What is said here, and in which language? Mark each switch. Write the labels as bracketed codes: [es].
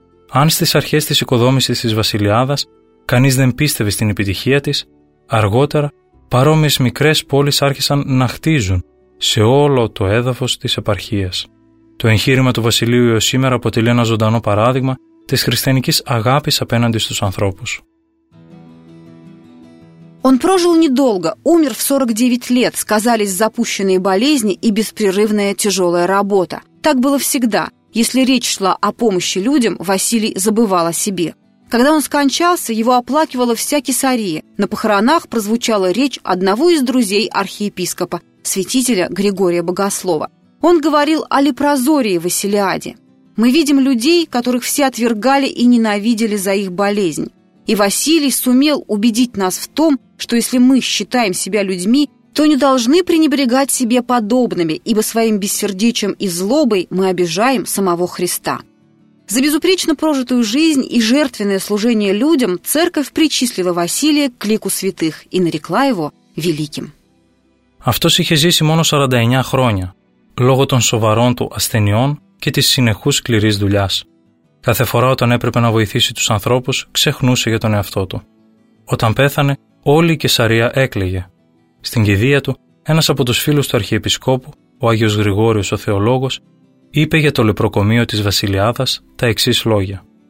[el] Αν στις αρχές της οικοδόμησης της βασιλιάδας κανείς δεν πίστευε στην επιτυχία της, αργότερα παρόμοιες μικρές πόλεις άρχισαν να χτίζουν σε όλο το έδαφος της επαρχίας. Το εγχείρημα του βασιλείου έως σήμερα αποτελεί ένα ζωντανό παράδειγμα της χριστιανικής αγάπης απέναντι στους ανθρώπους. [ru] Он прожил недолго, умер в 49 лет, сказались запущенные болезни и беспрерывная тяжелая работа. Так было всегда. Если речь шла о помощи людям, Василий забывал о себе. Когда он скончался, его оплакивала вся Кесария. На похоронах прозвучала речь одного из друзей архиепископа, святителя Григория Богослова. Он говорил о лепрозории Василиаде. «Мы видим людей, которых все отвергали и ненавидели за их болезнь. И Василий сумел убедить нас в том, что если мы считаем себя людьми, то не должны пренебрегать себе подобными, ибо своим бессердечием и злобой мы обижаем самого Христа». За безупречно прожитую жизнь и жертвенное служение людям церковь причислила Василия к лику святых и нарекла его великим. [el] Αυτός είχε ζήσει μόνο 49 χρόνια, λόγω των σοβαρών του ασθενειών και της συνεχούς σκληρής δουλειάς. Κάθε φορά όταν έπρεπε να βοηθήσει τους ανθρώπους, ξεχνούσε για τον εαυτό του. Όταν πέθανε, όλη η Κεσαρία έκλαιγε. Στην κηδεία του, ένας από τους φίλους του Αρχιεπισκόπου, ο Άγιος Γρηγόριος ο Θεολόγος, είπε για το λεπροκομείο της Βασιλιάδας τα εξής λόγια.